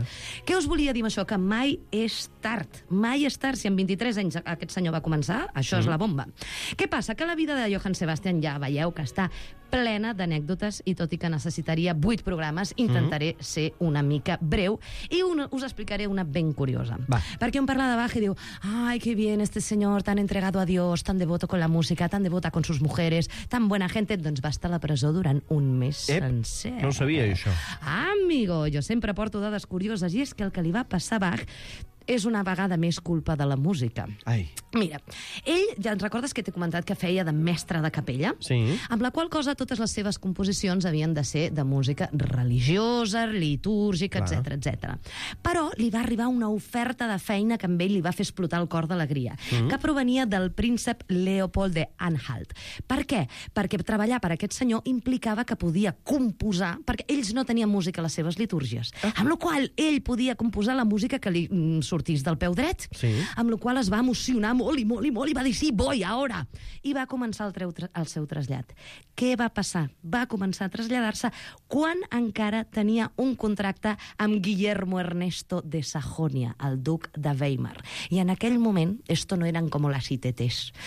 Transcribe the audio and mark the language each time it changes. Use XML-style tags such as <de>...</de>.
<ca>Ja què us volia dir amb això? Que mai és tard. Mai és tard si amb 23 anys aquest senyor va començar. Això és la bomba. Què passa? Que la vida de Johann Sebastian ja veieu que està plena d'anècdotes i tot i que necessitaria 8 programes, intentaré ser una mica breu i us explicaré una ben curiosa. Va. Perquè un parla de Bach i diu:</ca> <es>ay, qué bien este señor, tan entregado a Dios, tan devoto con la música, tan devota con sus mujeres, tan buena gente,</es> <ca>doncs va estar a la presó durant un mes sencer. No sabia això. Amigo, jo sempre porto dades curioses i és que el que li va passar a Bach és una vegada més culpa de la música. Ai. Mira, ell, ja ens recordes que t'he comentat que feia de mestre de capella? Sí. Amb la qual cosa totes les seves composicions havien de ser de música religiosa, litúrgica, etc, etc. Però li va arribar una oferta de feina que amb ell li va fer explotar el cor d'alegria, que provenia del príncep Leopold de Anhalt. Per què? Perquè treballar per aquest senyor implicava que podia composar, perquè ells no tenien música a les seves litúrgies, amb la qual ell podia composar la música que li sortís del peu dret, sí. Amb la qual es va emocionar molt i molt i molt i va dir sí,</ca> <es>voy, ahora!</es> <ca>I va començar el seu trasllat. Què va passar? Va començar a traslladar-se quan encara tenia un contracte amb Guillermo Ernesto de Sajonia, el duc de Weimar. I en aquell moment,</ca> <es>esto no eran como las ITTs.</es>